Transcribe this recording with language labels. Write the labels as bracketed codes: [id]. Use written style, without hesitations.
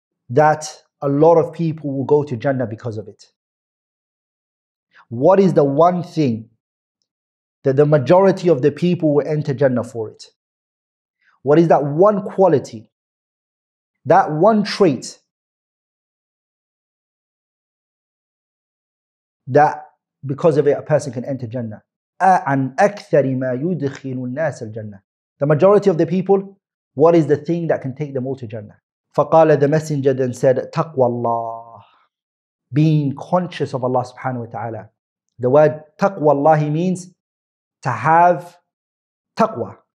[en] that a lot of people will go to Jannah because of it? What is the one thing that the majority of the people will enter Jannah for it? What is that one quality, that one trait that because of it a person can enter Jannah? [ar] عن أكثر ما يدخل الناس الجنة. [en] The majority of the people, what is the thing that can take them all to Jannah? فقال, the messenger then said, تقوى الله, being conscious of Allah subhanahu wa ta'ala. The word تقوى الله means to have تقوى.